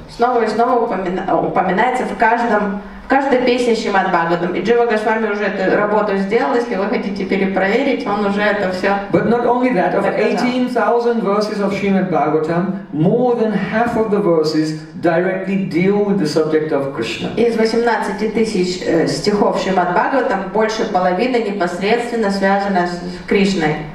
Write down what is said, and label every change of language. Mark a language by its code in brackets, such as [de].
[ru] Снова и снова упоминается в каждой песне Шримад Бхагаватам. И Джива Госвами уже эту работу сделал, если вы хотите перепроверить, он уже это все. [en] But not only that, of 18,000 verses of Shrimad Bhagavatam, more than half of the verses directly deal with the subject of Krishna. [ru] Из 18,000 стихов Шримад Бхагаватам больше половины непосредственно связано с Кришной.